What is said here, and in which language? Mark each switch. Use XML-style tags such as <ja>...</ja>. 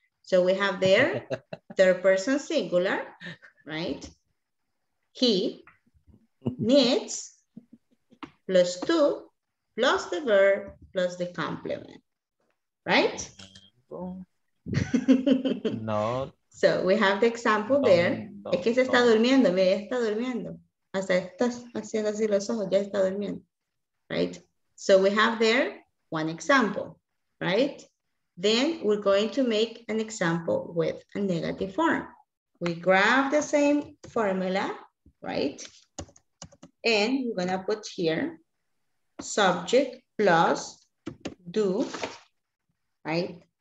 <en>So we have there third person singular, right? He needs plus two plus the verb plus the complement, right? No. So we have the example there.</en> <es>No, no, es que se está durmiendo, mira, ya está durmiendo. Hasta estás haciendo así los ojos, ya está durmiendo,</es> <en>right? So we have there one example, right? Then we're going to make an example with a negative form. We grab the same formula, right? And we're gonna put here subject plus do, right?</en>